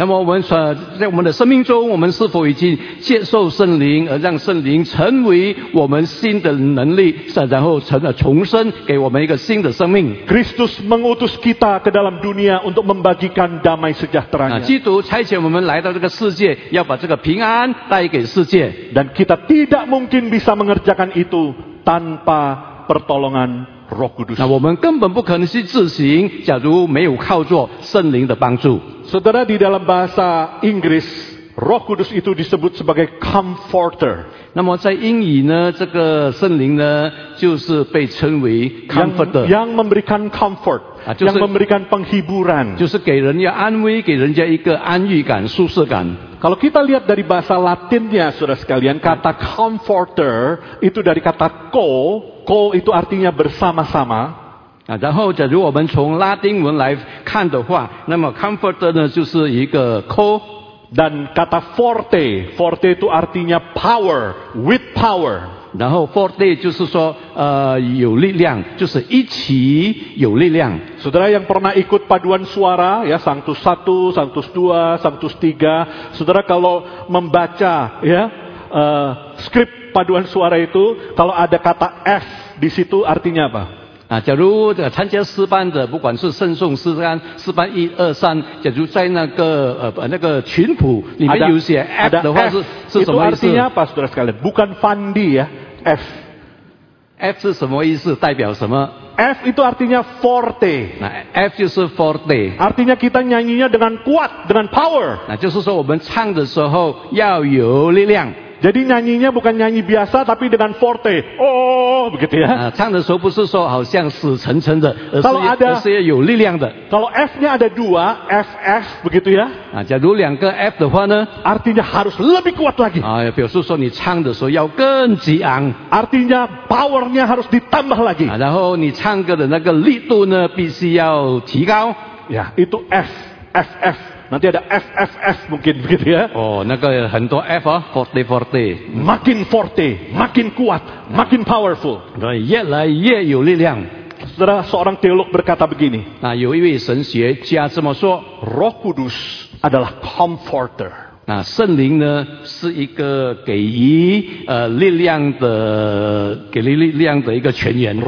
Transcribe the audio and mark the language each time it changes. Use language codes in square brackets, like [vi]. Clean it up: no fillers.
[zh] 那么我们在我们的生命中，我们是否已经接受圣灵，而让圣灵成为我们新的能力，然后重生，给我们一个新的生命？ [id] Kristus mengutus kita ke dalam dunia untuk membagikan damai sejahteranya. [zh] 基督差遣我们来到这个世界，要把这个平安带给世界。 [id] Dan kita tidak mungkin bisa mengerjakan itu. Tanpa pertolongan Roh Kudus. [zh] 那我们根本不可能去执行，假如没有靠着圣灵的帮助。 [id] Saudara, di dalam bahasa Inggris, Roh Kudus itu disebut sebagai Comforter. [zh] 那么在英语呢，这个圣灵呢，就是被称为 Comforter， [id] yang memberikan comfort， [zh] 就是、 [id] yang memberikan penghiburan， [zh] 就是给人家安慰，给人家一个安慰感、舒适感。 [id] Kalau kita lihat dari bahasa Latinnya, saudara sekalian, kata comforter itu dari kata co, co itu artinya bersama-sama. [zh] 然后，假如我们从拉丁文来看的话，那么 comforter 呢就是一个 co， [id] dan kata forte, forte itu artinya power, [en] with power。 [zh] 然后 forte 就是说有力量，就是一起有力量。 [id] Saudara yang pernah ikut paduan suara ya Sanctus 1, Sanctus 2, Sanctus 3, saudara kalau membaca ya skrip paduan suara itu kalau ada kata S di situ artinya apa? [zh] 假如参加诗班的，不管是圣颂诗班，诗班一二三，假如在那个群谱里面有写 F 的话， F, 是什么意思？ [id] itu artinya apa, saudara sekalian? Bukan Fandi ya, F. [zh] F 是什么意思？代表什么 [id] ？F itu artinya forte. [zh] F 就是 forte. [id] Artinya kita nyanyinya dengan kuat, dengan power. [zh] 就是说我们唱的时候要有力量。 [id] Jadi nyanyinya bukan nyanyi biasa, tapi dengan forte. Oh, begitu ya. [zh] 唱的时候不是说好像死沉沉的，而是要有力量的。 [id] Kalau F-nya ada dua, F, F, begitu ya. [zh] 假如两个 F 的话呢？ [id] Artinya harus lebih kuat lagi. [zh] 表示说你唱的时候要更激昂。 [id] Artinya power-nya harus ditambah lagi. [zh] 然后你唱歌的那个力度呢，必须要提高。 [id] Ya, itu F, F, F. Nanti ada F, F, F mungkin begitu ya. [zh] Oh, 那个很多 F 啊， forte, forte. [id] Makin forte, makin kuat, makin powerful. [zh] 对，越来越有力量。 [id] Saudara, seorang teolog berkata begini. [zh] 有一位神学家这么说， [id] Roh Kudus adalah comforter. [zh] 圣灵呢是一个给力量的一个泉源。